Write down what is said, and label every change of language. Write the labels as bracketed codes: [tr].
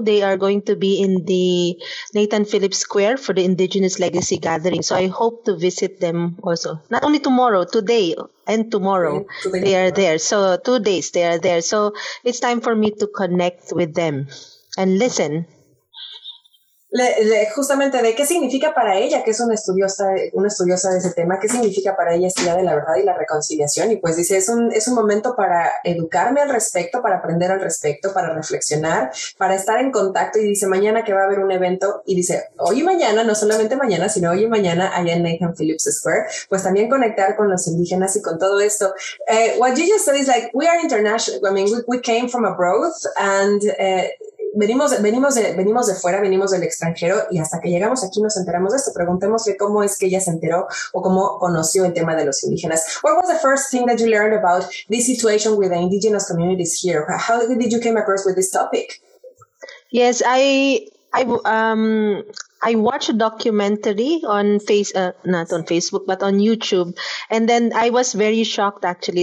[en] They are going to be in the Nathan Phillips Square for the Indigenous Legacy Gathering. So I hope to visit them also. Not only tomorrow, today and tomorrow, they are there. So 2 days they are there. So it's time for me to connect with them and listen. [es] Justamente, ¿de qué significa para ella, que es una estudiosa de ese tema, qué significa para ella este Día de la Verdad y la Reconciliación? Y pues dice, es un momento para educarme al respecto, para aprender al respecto, para reflexionar, para estar en contacto. Y dice, mañana que va a haber un evento, y dice, hoy y mañana, no solamente mañana, sino hoy y mañana allá en Nathan Phillips Square, pues también conectar con los indígenas y con todo esto. [en] What you just said is like, we are international, I mean, we came from abroad, and... [es] Venimos de fuera, venimos del extranjero, y hasta que llegamos aquí nos enteramos de esto. Preguntémosle cómo es que ella se enteró o cómo conoció el tema de los indígenas. [en] What was the first thing that you learned about this situation with the indigenous communities here? How did you come across with this topic? Yes, I watched a documentary on YouTube, and then I was very shocked, actually.